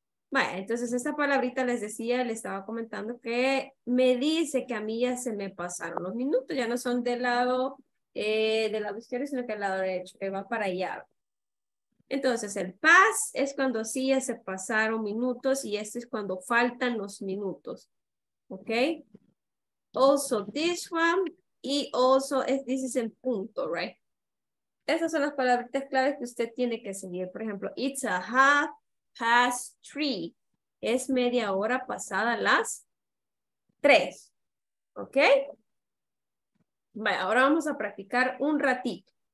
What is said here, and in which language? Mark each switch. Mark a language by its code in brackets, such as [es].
[es] Vale, entonces esta palabrita les decía, le estaba comentando que me dice que a mí ya se me pasaron los minutos. Ya no son del lado izquierdo, sino que del lado derecho, que va para allá. Entonces el past es cuando sí ya se pasaron minutos y este es cuando faltan los minutos. Ok. [en] Also this one. Y also this is en punto, right? [es] Esas son las palabras claves que usted tiene que seguir. Por ejemplo, [en] it's a half past three. [es] Es media hora pasada las 3. ¿Ok? Vale, ahora vamos a practicar un ratito.